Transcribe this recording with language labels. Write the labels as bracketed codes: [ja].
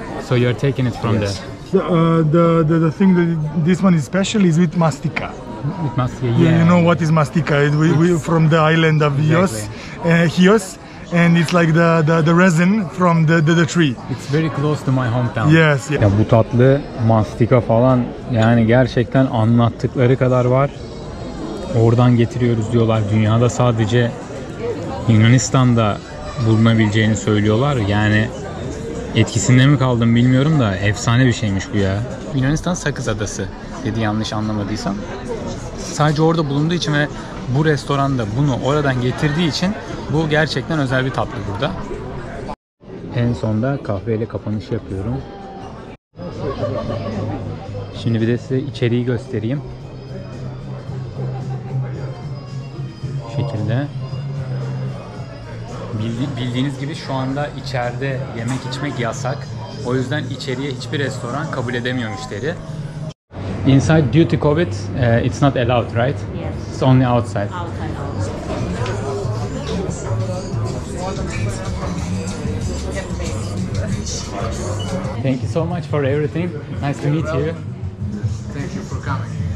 [en] So you are taking it from yes. there. The thing that this one is special is with mastica. With mastica, yeah. You know what is mastica? We from the island of Chios, and it's like the resin from the tree. It's very close to my hometown. Yes. Yeah. [tr] Ya bu tatlı mastika falan yani gerçekten anlattıkları kadar var. Oradan getiriyoruz diyorlar. Dünyada sadece Yunanistan'da bulunabileceğini söylüyorlar. Yani etkisinde mi kaldım bilmiyorum da efsane bir şeymiş bu ya. Yunanistan Sakız Adası dedi yanlış anlamadıysam. Sadece orada bulunduğu için ve bu restoranda bunu oradan getirdiği için bu gerçekten özel bir tatlı burada. En sonda kahveyle kapanış yapıyorum. Şimdi bir de size içeriği göstereyim. Şu şekilde. Bildiğiniz gibi şu anda içeride yemek içmek yasak. O yüzden içeriye hiçbir restoran kabul edemiyor müşteri. [en] Inside due to COVID, it's not allowed, right? Yes. It's only outside. Outside. Thank you so much for everything. Nice to meet you. Thank you for coming.